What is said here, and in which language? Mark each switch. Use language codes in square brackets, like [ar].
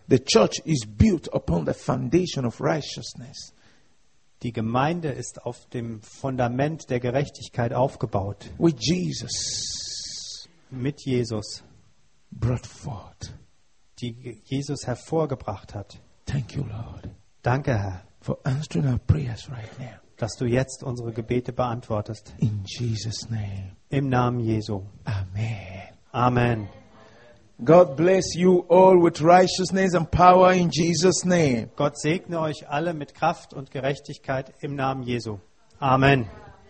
[en] The church is built upon the foundation of righteousness. [de] Die Gemeinde ist auf dem Fundament der Gerechtigkeit aufgebaut. [en] With Jesus. [de] Mit Jesus. [en] Brought forth. [de] Die Jesus hervorgebracht hat. [en] Thank you, Lord. [de] Danke, Herr. [en] For answering our prayers right now. [de] Dass du jetzt unsere Gebete beantwortest. [en] In Jesus' name. [de] Im Namen Jesu. [en] Amen. [de] Amen. [en] God bless you all with righteousness and power in Jesus' name. [de] Gott segne euch alle mit Kraft und Gerechtigkeit im Namen Jesu. Amen. Amen.